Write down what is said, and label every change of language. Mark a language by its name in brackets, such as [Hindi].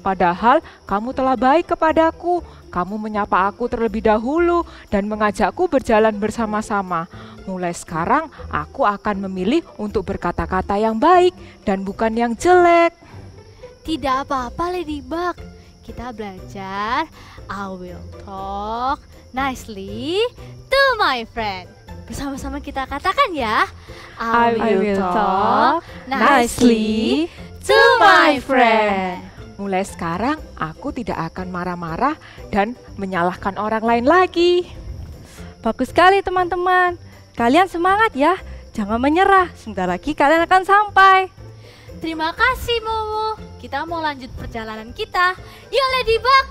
[Indonesian] Padahal kamu telah baik kepadaku. Kamu menyapa aku terlebih dahulu dan mengajakku berjalan bersama-sama. Mulai sekarang aku akan memilih untuk berkata-kata yang baik dan bukan yang jelek. Tidak apa-apa, Ladybug. Kita belajar. [English] I will talk nicely to my friend. [Indonesian] Bersama-sama kita katakan ya. [English] I will talk nicely to my friend. [Indonesian] Mulai sekarang aku tidak akan marah-marah dan menyalahkan orang lain lagi. Bagus sekali teman-teman. Kalian semangat ya. Jangan menyerah. Sebentar lagi kalian akan sampai. Terima kasih Momo. Kita mau lanjut perjalanan kita. Yuk Ladybug.